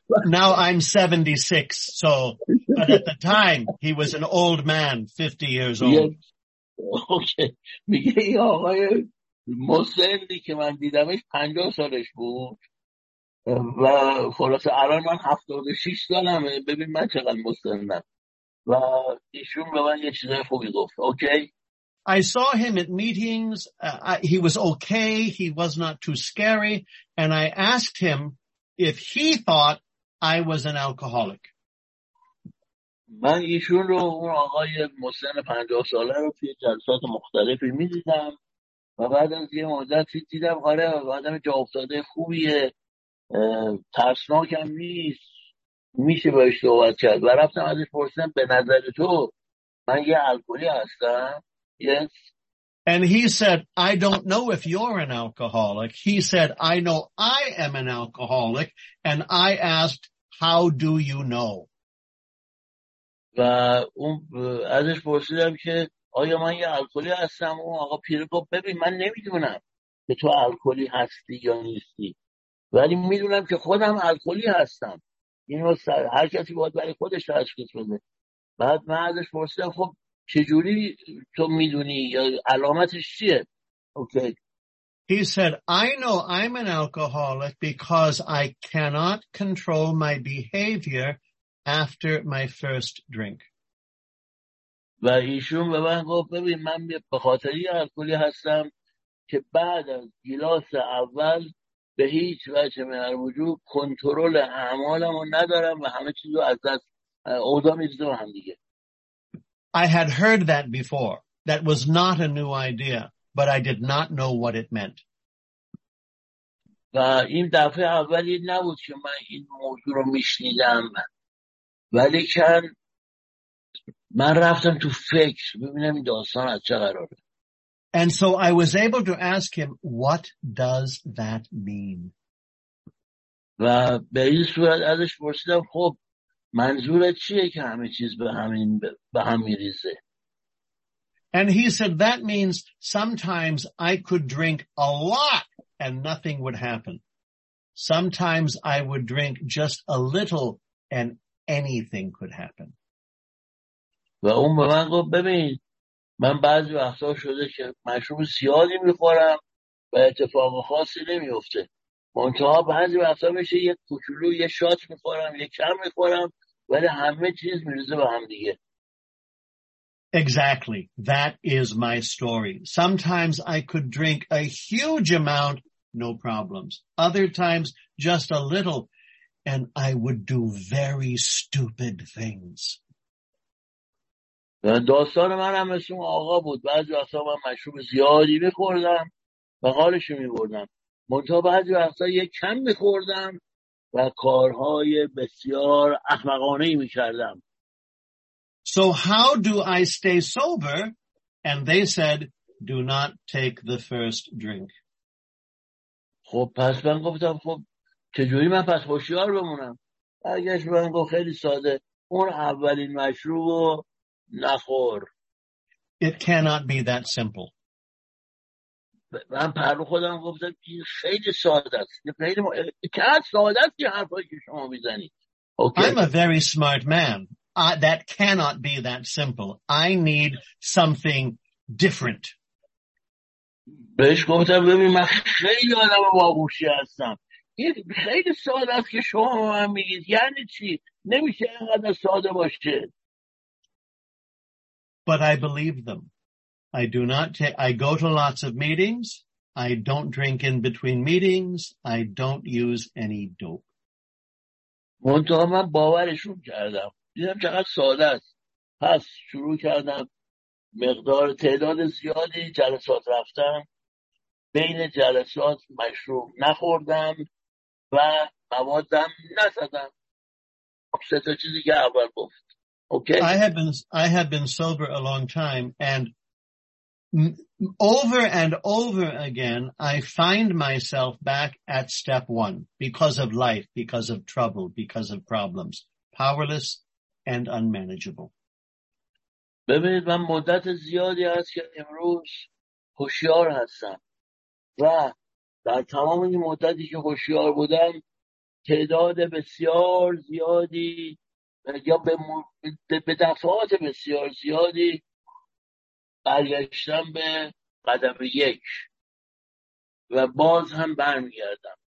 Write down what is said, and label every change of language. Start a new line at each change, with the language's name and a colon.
English: Now I'm 76, so, but at the time, he was an old man, 50 years old. Yes. Okay.
Persian: میگه این آقای مسلی که من دیدمش 50 سالش بود و خلاصه الان من 76 سالمه. ببین من چقدر مسلم و ایشون به من یه چیزای خوبی گفت. اوکی.
English: I saw him at meetings. He was okay. He was not too scary. And I asked him if he thought I was an alcoholic.
Persian: من ایشون رو اون آقای مسن 50 ساله رو توی جلسات مختلفی می‌دیدم و بعد از یه مدتی دیدم آره آدم جا افتاده خوبیه، ترسناک هم نیست، میشه باهاش صحبت کرد. و رفتم ازش پرسیدم به نظر تو من یه الکلی هستم؟
English: Yes. And he said, I don't know if you're an alcoholic. He said, I know I am an alcoholic. And I asked, how do you know?
Persian: و اون ازش پرسیدم که آیا من یه الکلی هستم؟ اون آقا پیر گفت ببین من نمیدونم که تو الکلی هستی یا نیستی، ولی میدونم که خودم الکلی هستم. اینو هر کسی باید برای خودش تشخیص بده. بعد من ازش پرسیدم خب چجوری تو میدونی یا علامتش چیه؟ اوکی.
English: He said, I know I'm an alcoholic because I cannot control my behavior after my first drink.
Persian: و ایشون به من گفت ببین من به خاطر این الکلی هستم که بعد از گلاس اول به هیچ وجه من در وجود کنترل اعمالمو ندارم و همه چیزو از دست اودا میذارم هم دیگه.
English: I had heard that before. That was not a new idea, but I did not know what it meant.
Persian: و این دفعه اولی نبود که من این موضوع رو میشنیدم. ولی که من رفتم تو فکر ببینم این داستان از چه قراره.
English: And so I was able to ask him, what does that mean?
Persian: و به این صورت ازش پرسیدم خب منظورت چیه که همه چیز به همین به هم می‌ریزه؟
English: And he said that means sometimes I could drink a lot and nothing would happen. Sometimes I would drink just a little and anything could happen.
Persian: و اون به من گفت ببین من بعضی وقتا شده که مشروب زیادی می‌خورم و اتفاق خاصی نمی‌افته. منتها بعضی وقتا میشه یه کوچولو یه شات می‌خورم یه کم می‌خورم ولی همه چیز میرزه به هم دیگه.
English: Exactly. That is my story. Sometimes I could drink a huge amount, no problems. Other times, just a little, and I would do very stupid things.
Persian: داستان من هم مثل آقا بود. بعضی وقتا من مشروب زیادی میخوردم و حالش رو میبردم. منتها بعضی وقتا یه کم میخوردم و کارهای بسیار احمقانه‌ای می‌کردم.
English: So how do I stay sober? And they said, do not take the first drink.
Persian: خب پس من گفتم خب چجوری من پس هوشیار بمونم؟ برگشت من گفت خیلی ساده. اون اولین مشروب رو نخور.
English: It cannot be that simple.
Persian: من پرو خودم گفتم که خیلی ساده است. که ساده است که حرفایی که شما میزنید.
English: Okay. I'm a very smart man. That cannot be that simple. I need something different.
Persian: بهش گفتم ببین من خیلی آدم باهوشی هستم. این خیلی ساده است که شما من میگید. یعنی چی؟ نمیشه اینقدر ساده باشه.
English: But I believe them. I do not take, I go to lots of meetings. I don't drink in between meetings. I don't use any dope.
Persian: منتها من باورشون کردم. دیدم چقدر ساده است. پس شروع کردم مقدار تعداد زیادی جلسات رفتم. بین جلسات مشروب نخوردم و موادم نزدم. سه تا چیزی که اول گفت.
English: Okay. I have been sober a long time and over and over again, I find myself back at step one because of life, because of trouble, because of problems, powerless and unmanageable.
Persian: ببینید من مدت زیادی هست که امروز هوشیار هستم و در تمام این مدتی که هوشیار بودم تعداد بسیار زیادی یا به دفعات بسیار زیادی برگشتم به قدم یک و باز هم برمیگردم.